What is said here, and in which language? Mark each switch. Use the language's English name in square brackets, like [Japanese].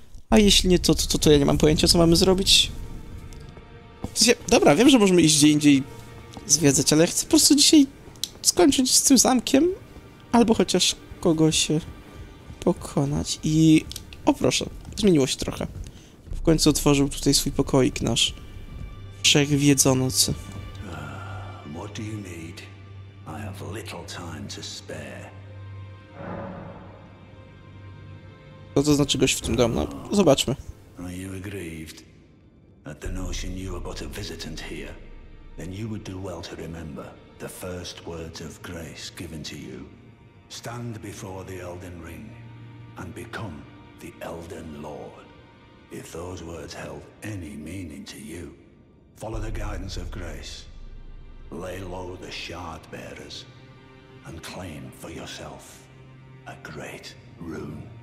[Polish] A jeśli nie, to ja nie mam pojęcia, co mamy zrobić. W sensie, dobra, wiem, że możemy iść gdzie indziej zwiedzać, ale ja chcę po prostu dzisiaj skończyć z tym zamkiem, albo chociaż kogoś pokonać i... O, proszę. Zmieniło się trochę. W końcu otworzył tutaj swój pokoik nasz. [English] Wszechwiedzonocy. What do you need? I have little time to spare. [Polish] Co to znaczy gość w tym domu? No, zobaczmy. [English] Are you aggrieved at the notion you are but a visitant here? Then you would do well to remember the first words of grace given to you. Stand before the Elden Ring and become the Elden Lord. If those words held any meaning to you, follow the guidance of grace, lay low the shard bearers, and claim for yourself a great rune.